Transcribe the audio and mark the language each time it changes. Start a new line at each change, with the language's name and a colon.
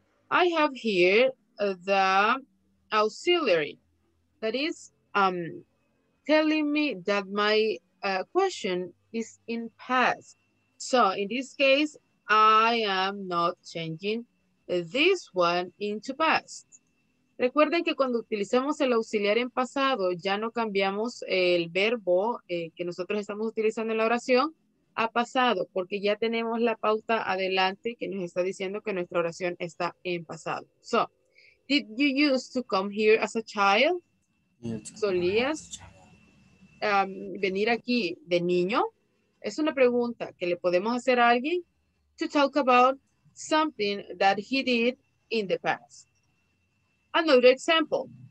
English: I have here the auxiliary that is telling me that my question is in past. So in this case, I am not changing this one into past.
Spanish: Recuerden que cuando utilizamos el auxiliar en pasado, ya no cambiamos el verbo que nosotros estamos utilizando en la oración a pasado, porque ya tenemos la pauta adelante que nos está diciendo que nuestra oración está en pasado.
English: So, did you used to come here as a child?
Spanish: ¿Solías venir aquí de niño? Es una pregunta que le podemos hacer a alguien
English: to talk about something that he did in the past. Another example.